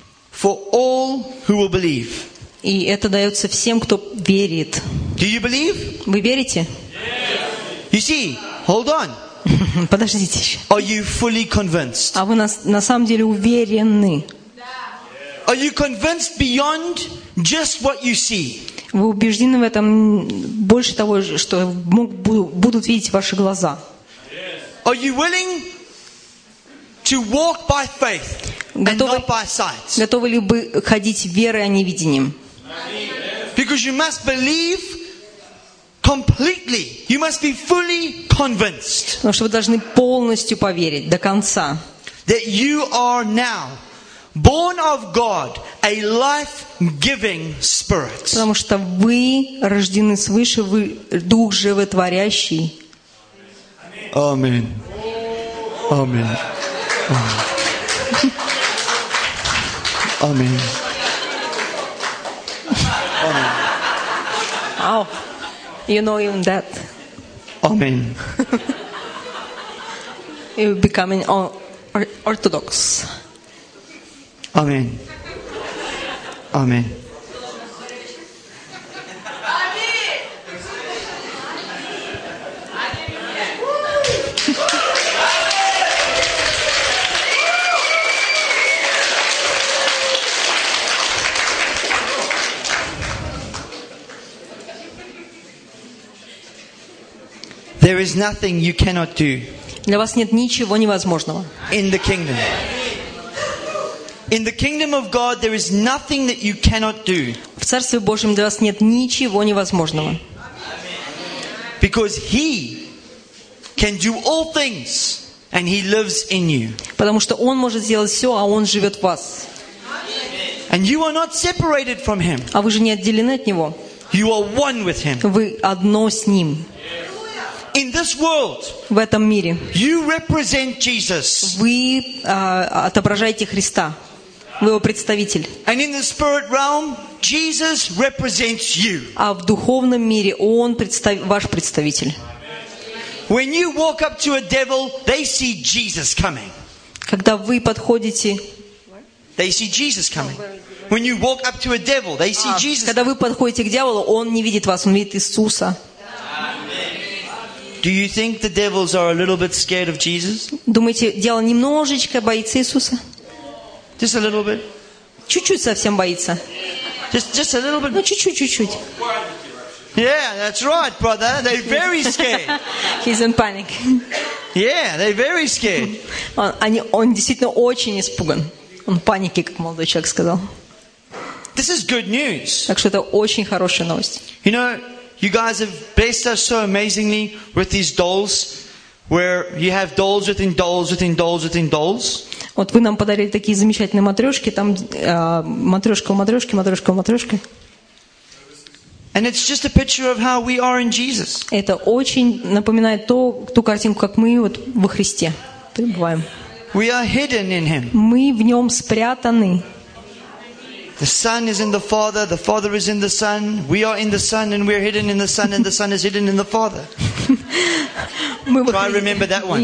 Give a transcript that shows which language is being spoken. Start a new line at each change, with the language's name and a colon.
English: for all who will believe.
Russian: И это дается всем, кто верит.
English: Do you believe?
Russian: Вы верите?
English: You see, hold on.
Russian: Подождите еще.
English: Are you fully convinced?
Russian: А вы на самом деле уверены?
English: Are you convinced beyond just what you see?
Russian: Вы убеждены в этом больше того, что будут видеть ваши глаза?
English: Are you willing to walk by faith and not by sight?
Russian: Готовы ли вы ходить верой, а не видением?
English: Because you must believe completely. You must be fully convinced.
Russian: Потому что вы должны полностью поверить до конца.
English: That you are now born of God, a life-giving spirit.
Russian: Потому что вы рождены свыше, вы дух животворящий.
English: Amen. Amen. Amen. Amen. Oh, you know even that. Amen. You're becoming Orthodox. Amen. Amen. There is nothing you cannot do.
Russian: Для вас нет ничего невозможного.
English: In the kingdom. In the kingdom of God there is nothing that you cannot do.
Russian: В Царстве Божьем для вас нет ничего невозможного.
English: Because he can do all things and he lives in you.
Russian: Потому что он может сделать всё, а он живёт в вас.
English: And you are not separated from him.
Russian: А вы же не отделены от него.
English: You are one with him.
Russian: Вы одно с ним.
English: In this world,
Russian: в этом мире,
English: you represent Jesus.
Russian: Вы отображаете Христа. Вы его представитель.
English: And in the spirit realm, Jesus represents you.
Russian: А в духовном мире он ваш представитель.
English: When you walk up to a devil, they see Jesus coming.
Russian: Когда вы подходите,
English: they see Jesus coming. When you walk up to a devil, they see Jesus.
Russian: Когда вы подходите к дьяволу, он не видит вас, он видит Иисуса.
English: Do you think the devils are a little бit scared of Jesus?
Russian: Думаете, дьявол немножечко боится Иисуса?
English: Just a little bit.
Russian: Чуть-чуть совсем боится.
English: Just a little bit.
Russian: Ну чуть-чуть.
English: Yeah, that's right, brother. They're very scared. He's in panic. Yeah, they're very scared.
Russian: Он действительно очень испуган. Он в панике, как молодой человек сказал.
English: This is good news.
Russian: Так что это очень хорошая новость.
English: You know, you guys have blessed us so amazingly with these dolls, where you have dolls within dolls within dolls within dolls.
Russian: Вот вы нам подарили такие замечательные матрешки, там матрешка в матрешке, матрешка в матрешке.
English: And it's just a picture of how we are in Jesus.
Russian: Это очень напоминает ту картинку, как мы вот во Христе пребываем.
English: We are hidden in Him.
Russian: Мы в Нем спрятаны.
English: The Son is in the Father is in the Son, we are in the Son, and we are hidden in the Son, and the Son is hidden in the Father. Try to remember that one.